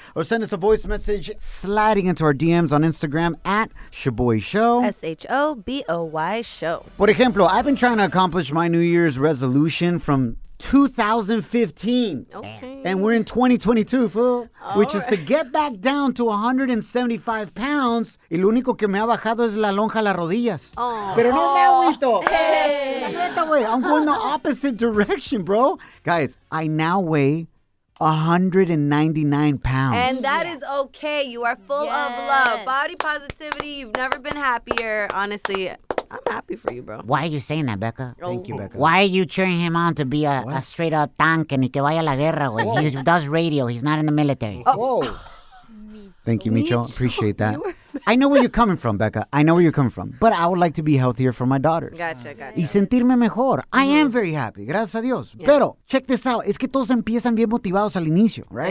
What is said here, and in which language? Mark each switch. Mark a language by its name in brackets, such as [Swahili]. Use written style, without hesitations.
[English] Or send us a voice message sliding into our DMs on Instagram at Shaboy Show. S-H-O-B-O-Y Show. [Spanish] Por ejemplo, [English] I've been trying to accomplish my New Year's resolution from 2015. Okay. And we're in 2022, fool. Which is to get back down to 175 pounds. [Spanish] Y lo único que me ha bajado es la lonja a las rodillas. Oh. Pero no me agüito. [English] Hey. I'm going the opposite direction, bro. Guys, I now weigh 199 pounds. And that is okay. You are full of love. Body positivity. You've never been happier, honestly. I'm happy for you, bro. Why are you saying that, Becca? Thank you, Becca. Why are you cheering him on to be a straight-up tank and [Spanish] que vaya a la guerra? [English] He does radio. He's not in the military. Whoa. Thank you, Micho. Appreciate that. I know where you're coming from, Becca. I know where you're coming from. But I would like to be healthier for my daughters. Gotcha. [Spanish] Y sentirme mejor. [English] I am very happy. [Spanish] Gracias a Dios. [English] Yeah. Pero, check this out. [Spanish] Es que todos empiezan bien motivados al inicio, right?